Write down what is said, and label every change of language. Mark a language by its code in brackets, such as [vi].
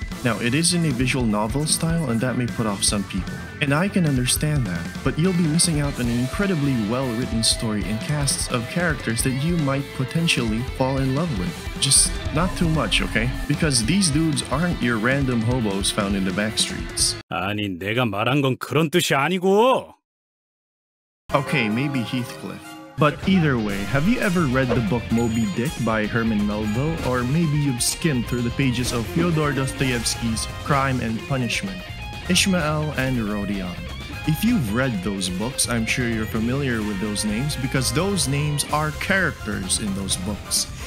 [en] Now, it is in a visual novel style, and that may put off some people. And I can understand that, but you'll be missing out on an incredibly well-written story and casts of characters that you might potentially fall in love with. Just not too much, okay? Because these dudes aren't your random hobos found in the backstreets. [ko] 아니, 내가 말한 건 그런 뜻이 아니고! [en] Okay, maybe Heathcliff. But either way, have you ever read the book Moby Dick by Herman Melville? Or maybe you've skimmed through the pages of Fyodor Dostoevsky's Crime and Punishment, Ishmael and Rodion? If you've read those books, I'm sure you're familiar with those names, because those names are characters in those books.